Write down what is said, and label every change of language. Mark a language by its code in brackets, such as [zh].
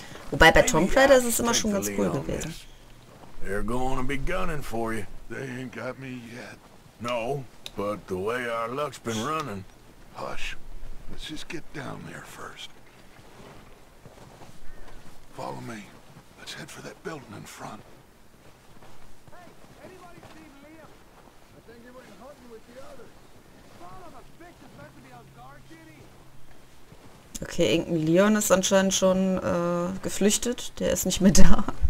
[de] Wobei bei Tomb Raider ist es immer schon ganz cool gewesen. [en] They're gonna be gunning for you. They ain't got me yet. No, but the way our luck's been running. Hush. Let's just get down there first. Follow me. Let's head for that building in front. Hey, anybody seen Liam? I think he went hunting with the others. Son of a bitch is meant to be on guard duty. [de] Okay, irgendein Leon ist anscheinend schon geflüchtet. Der ist nicht mehr da.